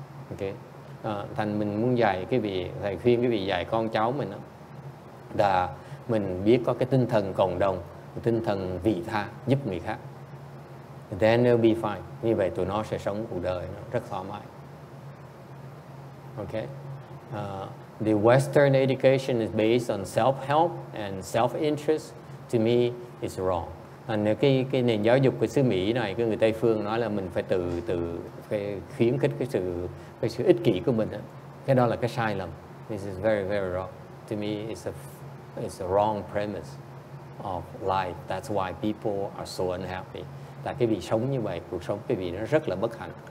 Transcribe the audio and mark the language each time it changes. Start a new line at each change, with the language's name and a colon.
Vietnamese: Okay, thành mình muốn dạy quý vị, thầy khuyên quý vị dạy con cháu mình đó, là mình biết có cái tinh thần cộng đồng. Tinh thần vị tha giúp người khác.
English: Then they'll be fine.
Vietnamese: Như vậy tụi nó sẽ sống cuộc đời rất thoải mái.
English: Okay. The Western education is based on self-help and self-interest. To me, it's wrong.
Vietnamese: And cái nền giáo dục của xứ Mỹ này, cái người Tây phương nói là mình phải từ phải khuyến khích cái sự ích kỷ của mình. Cái đó là cái sai lầm.
English: This is very very wrong. To me, it's a wrong premise of life. That's why people are so unhappy.
Vietnamese: Tại cái vị sống như vậy, cuộc sống cái vị nó rất là bất hạnh.